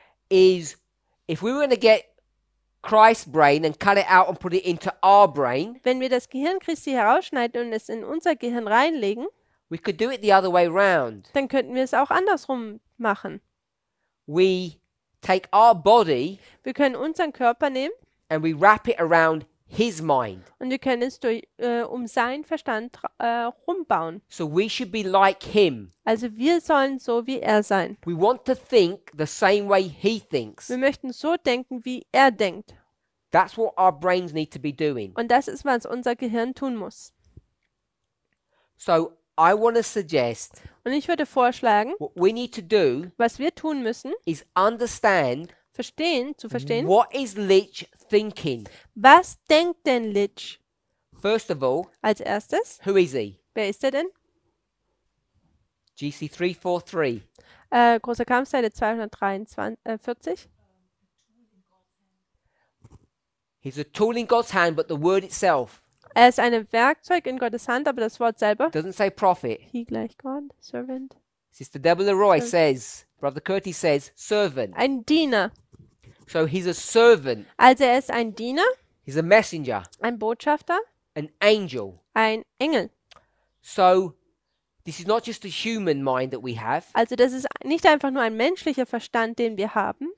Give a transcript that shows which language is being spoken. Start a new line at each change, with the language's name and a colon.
English: is if we were going to get Christ's brain and cut it out and put it into our brain,
German: wenn wir das Gehirn Christi herausschneiden und es in unser Gehirn reinlegen,
English: we could do it the other way round.
German: Dann könnten wir es auch andersrum machen.
English: We take our body,
German: wir können unseren Körper nehmen,
English: and we wrap it around his mind.
German: Und wir können es durch, um seinen Verstand rumbauen.
English: So we should be like him.
German: Also wir sollen so wie er sein.
English: We want to think the same way he thinks.
German: Wir möchten so denken, wie er denkt.
English: That's what our brains need to be doing.
German: Und das ist, was unser Gehirn tun muss.
English: So I want to suggest.
German: Und ich würde vorschlagen,
English: what we need to do,
German: was wir tun müssen,
English: is understand,
German: verstehen, zu verstehen,
English: what is Litch thinking?
German: Was denkt denn Litch?
English: First of all,
German: als erstes,
English: who is he?
German: Wer ist er denn?
English: GC343.
German: Großer Kampfseite 243.
English: He's a tool in God's hand, but the word itself.
German: Er ist ein Werkzeug in Gottes Hand, aber das Wort selber.
English: Doesn't say prophet. He
German: gleich
English: God, servant. Sister Deborah Leroy servant. Says, Brother Curtis says, servant.
German: Ein Diener.
English: So he's a servant.
German: Also er ist ein Diener.
English: He's a messenger.
German: Ein Botschafter.
English: An angel.
German: Ein Engel.
English: So this is not just a human mind that we have.
German: Also das ist nicht einfach nur ein menschlicher Verstand, den wir haben.